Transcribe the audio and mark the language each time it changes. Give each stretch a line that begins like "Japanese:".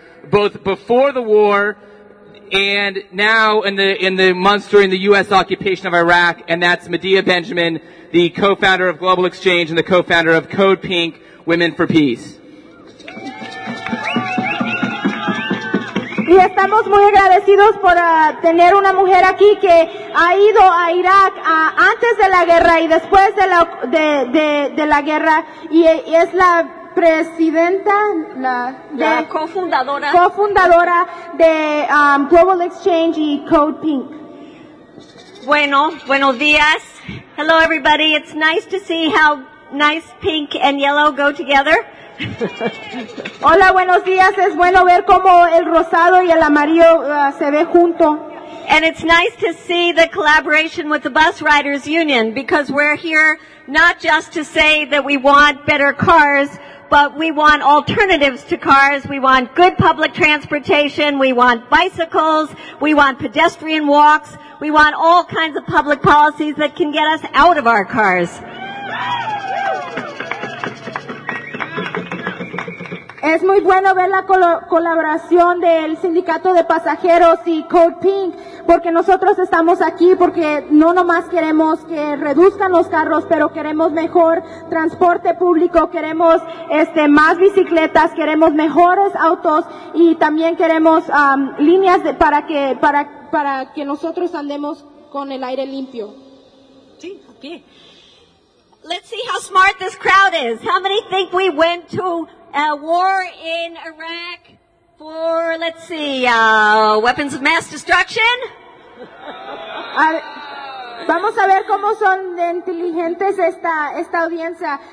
English: both before the war and now in the months during the U.S. occupation of Iraq, and that's Medea Benjamin, the co-founder of Global Exchange and the co-founder of Code Pink, Women for Peace.
Spanish: Y estamos muy agradecidos por tener una mujer aquí que ha ido a Irak antes de la guerra y después de la guerra, y es la presidenta, la cofundadora de Global Exchange y Code Pink. Bueno, buenos días.
English: Hello everybody, it's nice to see how nice pink and yellow go together.
Spanish: Hola, buenos días. Es bueno ver cómo el rosado y el amarillo se ve junto.
English: And it's nice to see the collaboration with the Bus Riders Union, because we're here not just to say that we want better cars, but we want alternatives to cars. We want good public transportation. We want bicycles. We want pedestrian walks. We want all kinds of public policies that can get us out of our cars.
Spanish: Es muy bueno ver la colaboración del sindicato de pasajeros y Code Pink, porque nosotros estamos aquí porque no nomás queremos que reduzcan los carros, pero queremos mejor transporte público, queremos más bicicletas, queremos mejores autos y también queremos líneas para que nosotros andemos con el aire limpio. Sí, aquí.
English: Let's see how smart this crowd is. How many think we went to a war in Iraq for, let's see, weapons of mass destruction?
Spanish: Vamos a ver cómo son inteligentes esta audiencia.